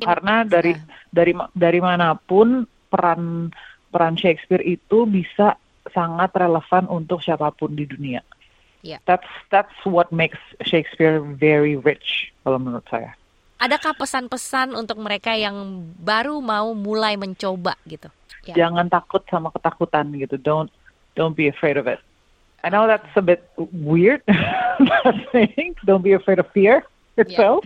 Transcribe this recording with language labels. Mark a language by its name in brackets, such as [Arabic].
[Indonesian] Karena dari manapun peran Shakespeare itu bisa sangat relevan untuk siapapun di dunia. [English] Yeah. That's what makes Shakespeare very rich [Indonesian] kalau menurut saya. Adakah pesan-pesan untuk mereka yang baru mau mulai mencoba gitu? [English] Yeah. [Indonesian] Jangan takut sama ketakutan gitu. [English] Don't be afraid of it. I know that's a bit weird, but saying don't be afraid of fear itself.